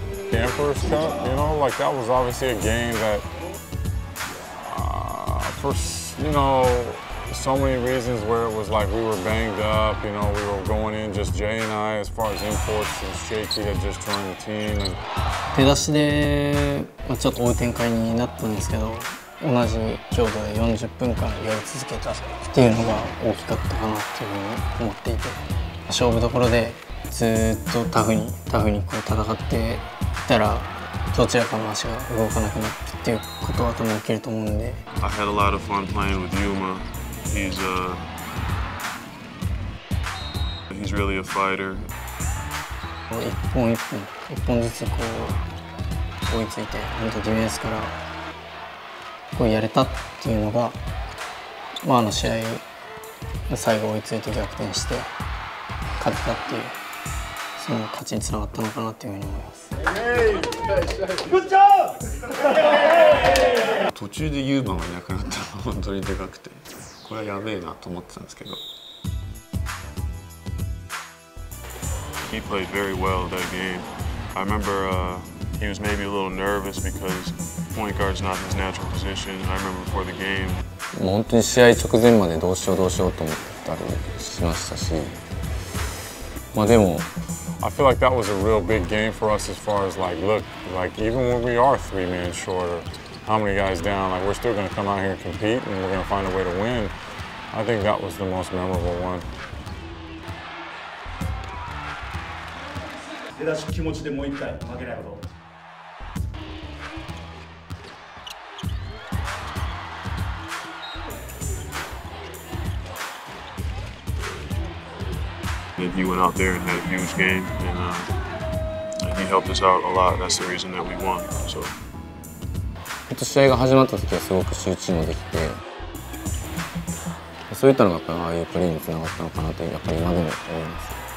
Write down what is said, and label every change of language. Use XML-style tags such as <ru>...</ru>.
<en>Camp first cup, you know, like that was obviously a game that, for, you know, so many reasons where it was like we were banged up, you know, we were going in just Jay and I as far as imports, since JT had just joined the team. And...</en> <ja>出だしで、まあ、ちょっと追う展開になったんですけど、同じ強度で40分間やり続けたっていうのが大きかったかなっていうふうに思っていて、勝負どころでずっとタフに戦ってきたら、どちらかの足が動かなくなってっていうことは多分起きると思うんで。</ja> <en>I had a lot of fun playing with Yuma. He's a... He's really a fighter.</en> <ja>一本一本、一本ずつこう追いついて、本当ディフェンスからこうやれたっていうのが、まああの試合最後追いついて逆転して勝てたっていう、その勝ちにつながったのかなっていうふうに思います。ブッチャー途中でユーマがいなくなったのが本当にでかくて、これはやべえなと思ってたんですけど。</ja> <en>He played very well that game. I remember、he was maybe a little nervous because point guard's not his natural position. I remember before the game.</en> <ja>もう本当に試合直前までどうしようどうしようと思ったりしましたし、まあでも。</ja> <en>I feel like that was a real big game for us as far as like, look, like even when we are three men shorter, how many guys down, like we're still going to come out here and compete and we're going to find a way to win. I think that was the most memorable one.</en> <ja>出だし気持ちでもう一回負けないこと。</ja> <en>And he went out there and had a huge game, and he helped us out a lot. That's the reason that we won. So.</en> <ja>本当試合が始まった時はすごく集中もできて、そういったのがやっぱりああいうプレーに繋がったのかなとやっぱり今でも思います。</ja>